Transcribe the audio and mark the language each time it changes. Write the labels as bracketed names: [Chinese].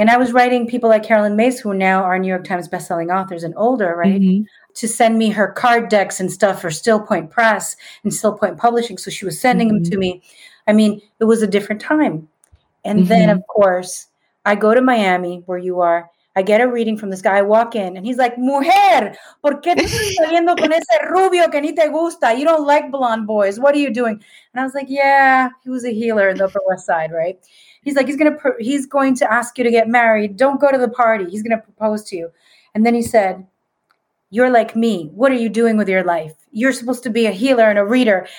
[English] And I was writing people like Carolyn Mace, who now are New York Times bestselling authors and older, right? Mm-hmm. To send me her card decks and stuff for Still Point Press and Still Point Publishing. So she was sending them to me. I mean, it was a different time. And then, of course, I go to Miami, where you are. I get a reading from this guy. I walk in and he's like, [Spanish] mujer, ¿por qué te estás saliendo con ese rubio que ni te gusta? [English] You don't like blonde boys. What are you doing? And I was like, yeah, he was a healer in the Upper West Side, right? He's like, he's going to ask you to get married. Don't go to the party. He's going to propose to you. And then he said, you're like me. What are you doing with your life? You're supposed to be a healer and a reader.